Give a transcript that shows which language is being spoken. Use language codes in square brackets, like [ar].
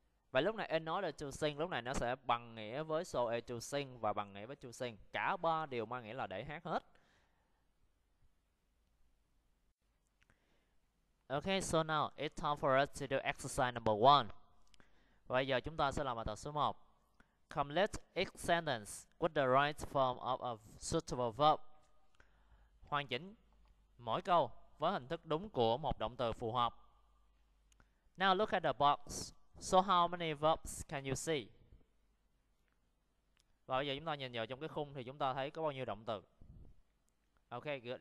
[vi] Vậy lúc này [en] in order to sing [vi] lúc này nó sẽ bằng nghĩa với [en] so as to sing [vi] và bằng nghĩa với to sing, cả ba đều mang nghĩa là để hát hết. [en] Okay, so now it's time for us to do exercise number 1. [vi] Bây giờ chúng ta sẽ làm bài tập số 1. [en] Complete each sentence with the right form of a suitable verb. [vi] Hoàn chỉnh mỗi câu với hình thức đúng của một động từ phù hợp. [en] Now look at the box. So how many verbs can you see? [vi] Và bây giờ chúng ta nhìn vào trong cái khung thì chúng ta thấy có bao nhiêu động từ. [en] Okay, good.